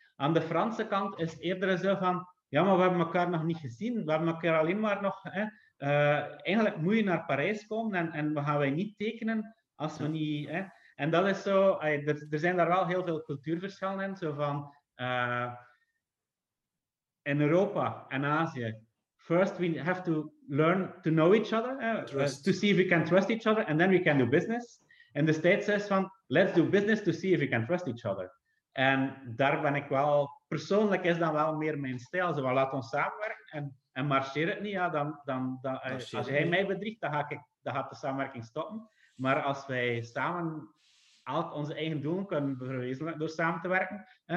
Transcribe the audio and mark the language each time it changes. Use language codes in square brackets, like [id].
[nl] Aan de Franse kant is eerder zo van, ja, maar we hebben elkaar nog niet gezien. We hebben elkaar alleen maar nog... eigenlijk moet je naar Parijs komen en we gaan wij niet tekenen als we niet... En dat is zo... Er zijn daar wel heel veel cultuurverschillen in. Zo van... in Europa en Azië, [en] first we have to learn to know each other, to see if we can trust each other, and then we can do business. [nl] En de States is van, [en] let's do business to see if we can trust each other. [nl] En daar ben ik wel, persoonlijk is dat wel meer mijn stijl. Zo, laat ons samenwerken en marcheer het niet. Ja, dan als hij mij bedriegt, dan gaat de samenwerking stoppen. Maar als wij samen al onze eigen doelen kunnen verwezenlijken door samen te werken.